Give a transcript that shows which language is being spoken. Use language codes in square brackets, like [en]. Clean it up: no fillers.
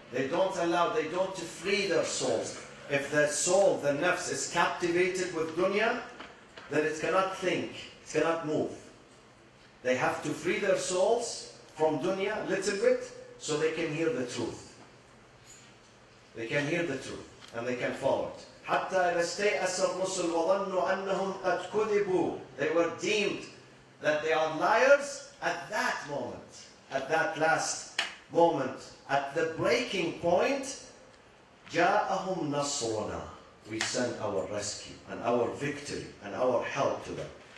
[en] They don't allow, they don't free their souls. If their soul, the nafs, is captivated with dunya, then it cannot think, it cannot move. They have to free their souls from dunya a little bit so they can hear the truth. They can hear the truth and they can follow it. [ar] حتى إذا استيأس الرسل وظنوا أنهم قد كذبوا. [en] They were deemed that they are liars at that moment, at that last moment, at the breaking point. [ar] جاءهم نصرنا. [en] We sent our rescue and our victory and our help to them.